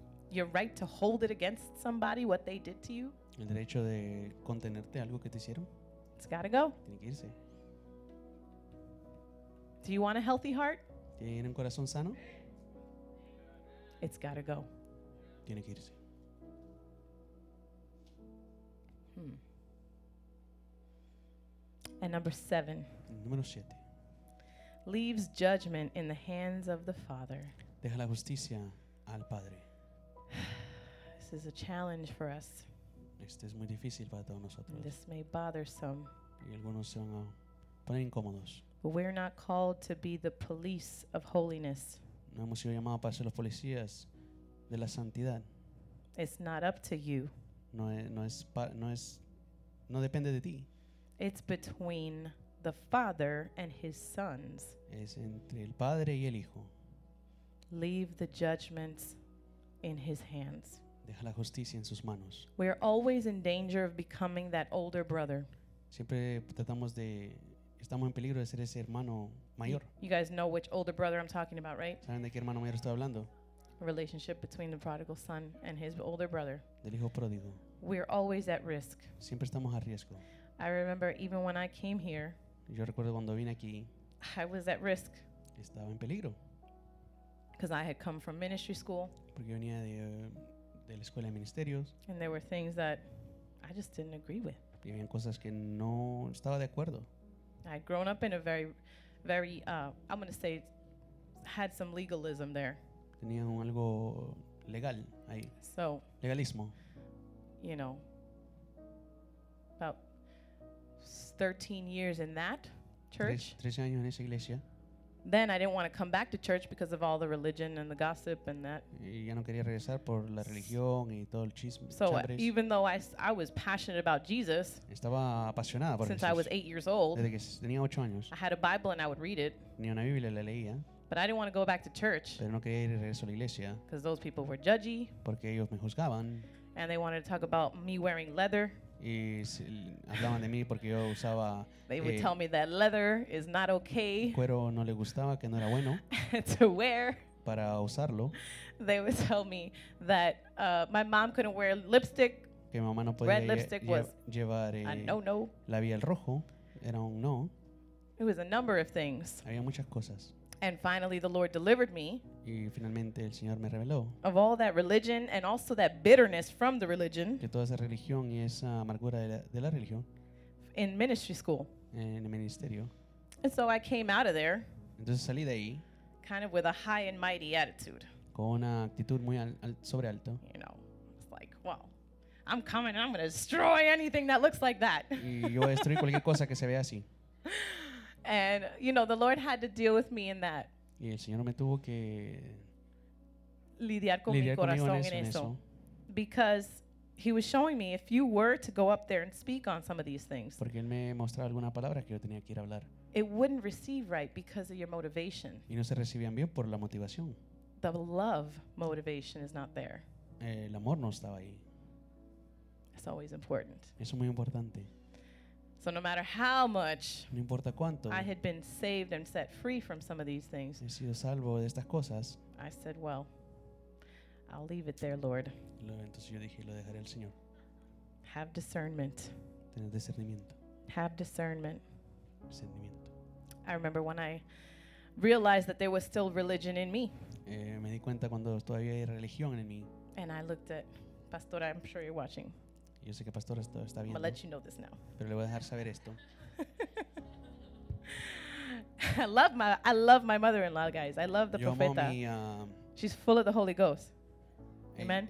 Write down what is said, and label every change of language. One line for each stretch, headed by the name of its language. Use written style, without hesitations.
English: Your right to hold it against somebody what they did to you.
Spanish: El derecho de contenerte algo que te hicieron.
English: It's gotta go.
Spanish: Tiene que irse.
English: Do you want a healthy heart?
Spanish: ¿Tienes un corazón sano?
English: It's gotta go.
Spanish: Tiene que irse.
English: And number 7.
Spanish: Número 7.
English: Leaves judgment in the hands of the Father.
Spanish: Deja la justicia al Padre.
English: This is a challenge for us.
Spanish: Este es muy difícil para todos nosotros.
English: This may bother some.
Spanish: Y algunos se van a poner incómodos.
English: But we're not called to be the police of holiness.
Spanish: No hemos sido llamados para ser los policías de la santidad.
English: It's not up to you.
Spanish: No depende de ti.
English: It's between the Father and His sons.
Spanish: Es entre el Padre y el Hijo.
English: Leave the judgments in His hands.
Spanish: Deja la justicia en sus manos.
English: We are always in danger of becoming that older brother.
Spanish: Siempre tratamos de estamos en peligro de ser ese hermano mayor.
English: You guys know which older brother I'm talking about, right?
Spanish: ¿Saben de qué hermano mayor estoy hablando?
English: Relationship between the prodigal son and his older brother.
Spanish: Del hijo pródigo.
English: We are always at risk.
Spanish: Siempre estamos a riesgo.
English: I remember even when I came here.
Spanish: Yo recuerdo cuando vine aquí.
English: I was at risk.
Spanish: Estaba en peligro.
English: Because I had come from ministry school.
Spanish: Porque venía de la escuela de ministerios.
English: And there were things that I just didn't agree with.
Spanish: Y había cosas que no estaba de acuerdo.
English: I had grown up in a very, very, I'm going to say, had some legalism there.
Spanish: Tenía un algo legal ahí.
English: So,
Spanish: legalismo.
English: You know, about 13 years in that church.
Spanish: 13 años en esa iglesia.
English: Then I didn't want to come back to church because of all the religion and the gossip and that.
Spanish: Y ya no quería regresar por la religión y todo el chisme.
English: So even though I was passionate about Jesus,
Spanish: estaba apasionada por
English: since
Spanish: Jesús.
English: I was 8 years old,
Spanish: desde que tenía 8 años,
English: I had a Bible and I would read it.
Spanish: Tenía una Biblia, la leía.
English: But I didn't want to go back to church,
Spanish: pero no quería ir de regreso a la iglesia,
English: because those people were judgy,
Spanish: porque ellos me juzgaban,
English: and they wanted to talk about me wearing leather.
Spanish: Y hablaban de mí porque yo usaba.
English: They would tell me that leather is not okay.
Spanish: Cuero no le gustaba, que no era bueno.
English: To wear.
Spanish: para usarlo.
English: They would tell me that my mom couldn't wear lipstick.
Spanish: Que mi mamá no podía
English: red lipstick
Spanish: llevar no. Labial rojo. Era un no.
English: It was a number of things.
Spanish: Había muchas cosas.
English: And finally the Lord delivered me,
Spanish: y finalmente el Señor me reveló,
English: of all that religion and also that bitterness from the religion,
Spanish: que toda esa religión y esa amargura de la religión,
English: in ministry school.
Spanish: En el ministerio.
English: And so I came out of there,
Spanish: entonces salí de ahí,
English: kind of with a high and mighty attitude.
Spanish: Con una actitud muy sobre alto.
English: You know, it's like, well, I'm coming and I'm going to destroy anything that looks like that.
Spanish: Y yo voy a destruir cualquier cosa que se vea así.
English: And, you know, the Lord had to deal with me in that.
Spanish: Y el Señor me tuvo que lidiar con mi corazón en eso.
English: Because he was showing me, if you were to go up there and speak on some of these things,
Spanish: porque él me mostraba alguna palabra que yo tenía que ir a hablar,
English: it wouldn't receive right because of your motivation.
Spanish: Y no se recibían bien por la motivación.
English: The love motivation is not there.
Spanish: El amor no estaba ahí.
English: It's always important.
Spanish: Eso es muy importante.
English: So no matter how much,
Spanish: no importa cuánto,
English: I had been saved and set free from some of these things,
Spanish: he sido salvo de estas cosas,
English: I said, well, I'll leave it there, Lord.
Spanish: Entonces yo dije, lo dejaré al Señor.
English: Have discernment.
Spanish: Tener discernimiento.
English: Have discernment.
Spanish: Discernimiento.
English: I remember when I realized that there was still religion in me.
Spanish: Me di cuenta cuando todavía hay religión en mí.
English: And I looked at Pastora, I'm sure you're watching.
Spanish: Yo sé que Pastor está viendo.
English: I'm going to let you know this now.
Spanish: Pero le voy a dejar saber esto.
English: I love my mother-in-law, guys. I love the
Spanish: yo profeta. Mi,
English: she's full of the Holy Ghost. Amen.